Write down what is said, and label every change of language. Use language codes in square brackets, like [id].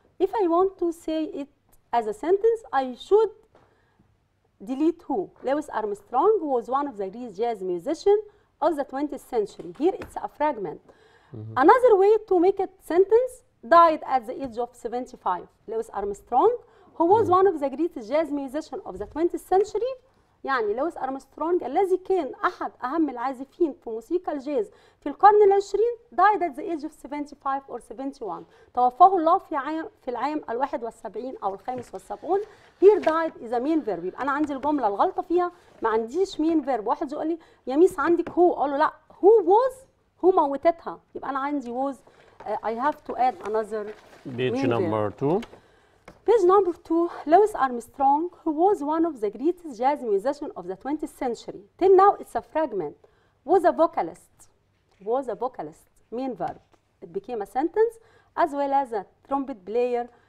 [en] If I want to say it as a sentence, I should delete who. Louis Armstrong was one of the greatest jazz musicians of the 20th century. Here it's a fragment. Mm-hmm. Another way to make it sentence, died at the age of 75. Louis Armstrong, who was mm-hmm. one of the greatest jazz musicians of the 20th century, [ar] يعني لويس أرمسترونج الذي كان أحد أهم العازفين في موسيقى الجاز في القرن العشرين [en] died at the age of 75 or 71 [ar] توفاه الله في العام 71 أو 75 [en] here died is a main verb [ar] أنا عندي الجملة الغلطة فيها ما عنديش [en] main verb [ar] واحد يقول لي يا ميس عندك هو أقول له لا هو [en] was [ar] هو موتتها يبقى أنا عندي [en] was I have to add another page number two. Page number two, Louis Armstrong, who was one of the greatest jazz musicians of the 20th century. Till now, it's a fragment. Was a vocalist. Was a vocalist. Main verb. It became a sentence, as well as a trumpet player.